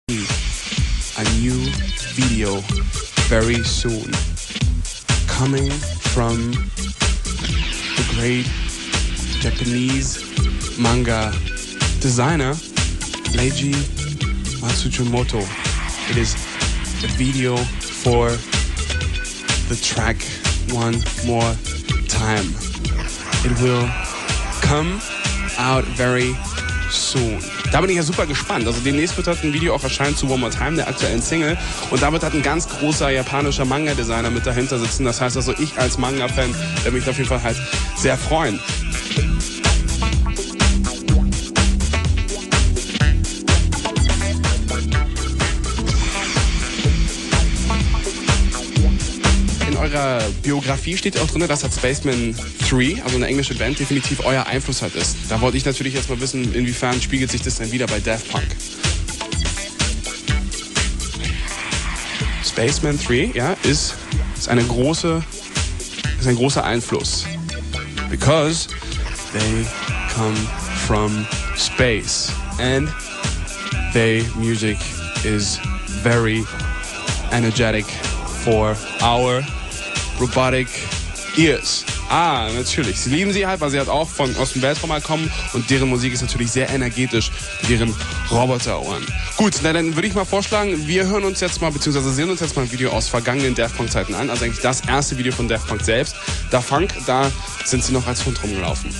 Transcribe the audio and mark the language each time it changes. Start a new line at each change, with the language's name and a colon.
English: a new video very soon, coming from the great Japanese manga designer Leiji Matsumoto. It is a video for the track One More Time. It will come out very soon.
German: Da bin ich ja super gespannt. Also demnächst wird halt ein Video auch erscheinen zu One More Time, der aktuellen Single. Und da wird halt ein ganz großer japanischer Manga-Designer mit dahinter sitzen. Das heißt also, ich als Manga-Fan werde mich auf jeden Fall halt sehr freuen. In eurer Biografie steht auch drin, dass Spaceman 3, also eine englische Band, definitiv euer Einfluss halt ist. Da wollte ich natürlich jetzt mal wissen, inwiefern spiegelt sich das denn wieder bei Daft Punk. Spaceman 3, ja, ist ein großer Einfluss.
English: Because they come from space. And their music is very energetic for our robotic ears.
German: Ah, natürlich. Sie lieben sie halt, weil sie halt auch von aus dem Weltraum kommen und deren Musik ist natürlich sehr energetisch mit ihren Roboterohren. Gut, na, dann würde ich mal vorschlagen, wir hören uns jetzt mal, beziehungsweise sehen uns jetzt mal ein Video aus vergangenen Daft Punk Zeiten an. Also eigentlich das erste Video von Daft Punk selbst. Daft Punk, da sind sie noch als Hund rumgelaufen.